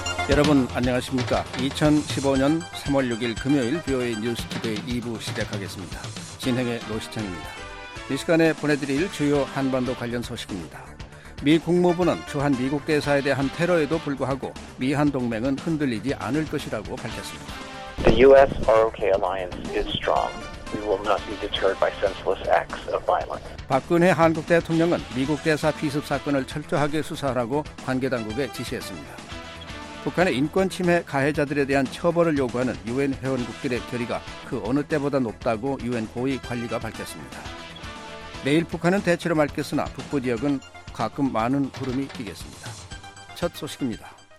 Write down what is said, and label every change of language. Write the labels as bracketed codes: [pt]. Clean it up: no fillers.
[ko] 여러분 안녕하십니까? 2015년 3월 6일 금요일 VOA News Today 2부 시작하겠습니다. 진행의 노시찬입니다. 이 시간에 보내드릴 주요 한반도 관련 소식입니다. 미 국무부는 주한 미국 대사에 대한 테러에도 불구하고 미한 동맹은 흔들리지 않을 것이라고 밝혔습니다. [en] The U.S. ROK alliance is strong. We will not be deterred by senseless acts of violence. [ko] 박근혜 한국 대통령은 미국 대사 피습 사건을 철저하게 수사하라고 관계 당국에 지시했습니다. 북한의 인권 침해 가해자들에 대한 처벌을 요구하는 유엔 회원국들의 결의가 그 어느 때보다 높다고 유엔 고위 관리가 밝혔습니다. 내일 북한은 대체로 맑겠으나 북부 지역은 가끔 많은 구름이 끼겠습니다. 첫 소식입니다.